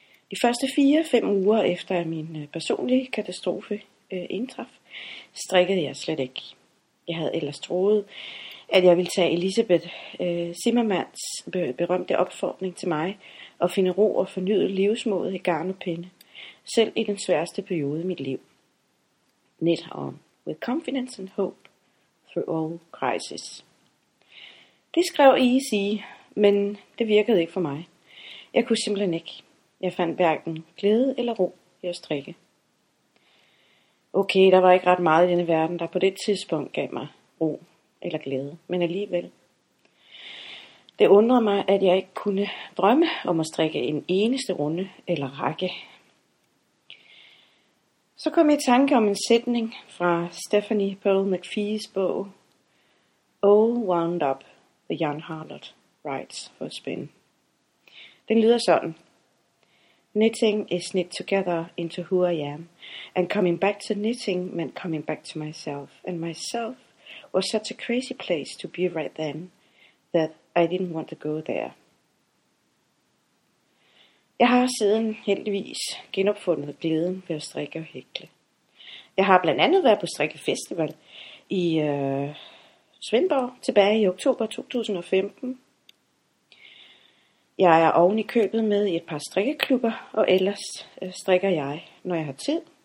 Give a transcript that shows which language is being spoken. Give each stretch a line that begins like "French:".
Danish: De første 4-5 uger efter min personlige katastrofe indtraf, strikkede jeg slet ikke. Jeg havde ellers troet, at jeg ville tage Elisabeth Zimmermans berømte opfordring til mig og finde ro og fornyet livsmod i garn og pinde, selv i den sværeste periode i mit liv.
English: Net on, with confidence and hope through all crises.
Danish: Det skrev Easy, men det virkede ikke for mig. Jeg kunne simpelthen ikke. Jeg fandt hverken glæde eller ro i at strikke. Okay, der var ikke ret meget i denne verden, der på det tidspunkt gav mig ro eller glæde, men alligevel. Det undrer mig, at jeg ikke kunne drømme om at strikke en eneste runde eller række. Så kom jeg i tanke om en sætning fra Stephanie Pearl McPhee's bog All Wound Up, The Young Harlot Writes for Spin. Den lyder sådan:
English: Knitting is knit together into who I am, and coming back to knitting meant coming back to myself, and myself was such a crazy place to be right then, that I didn't want to go there.
Danish: Jeg har siden heldigvis genopfundet glæden ved at strikke og hækle. Jeg har blandt andet været på strikkefestival i Svendborg tilbage i oktober 2015. Jeg er oven i købet med i et par strikkeklubber, og ellers strikker jeg, når jeg har tid.